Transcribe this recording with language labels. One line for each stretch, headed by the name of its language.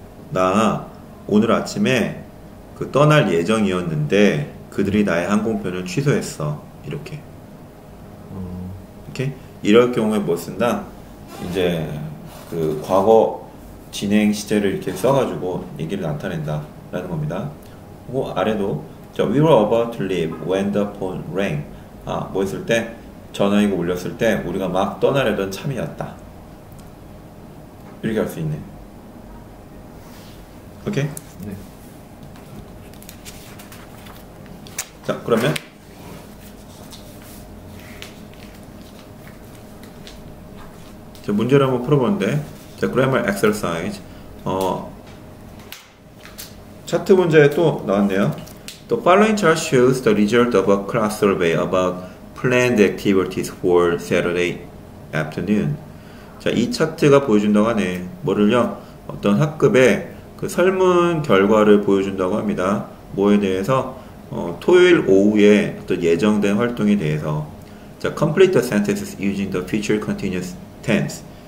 Korean: 나 오늘 아침에 그 떠날 예정이었는데 그들이 나의 항공편을 취소했어. 이렇게. 이렇게? 이럴 경우에 뭐 쓴다? 이제 그 과거 진행 시제를 이렇게 써가지고 얘기를 나타낸다 라는 겁니다. 그리고 아래도 자,
English: We were about to leave when the phone rang.
Korean: 아, 뭐 했을 때? 전화기가 울렸을 때 우리가 막 떠나려던 참이었다. 이렇게 할 수 있네. 오케이? 네. 자, 그러면 자, 문제를 한번 풀어보는데 자, grammar exercise 차트 문제에 또 나왔네요.
English: The following chart shows the result of a class survey about planned activities for Saturday afternoon.
Korean: 자, 이 차트가 보여준다고 하네. 뭐를요? 어떤 학급의 그 설문 결과를 보여준다고 합니다. 뭐에 대해서? 토요일 오후에 어떤 예정된 활동에 대해서. 자,
English: complete the sentences using the future continuous tense.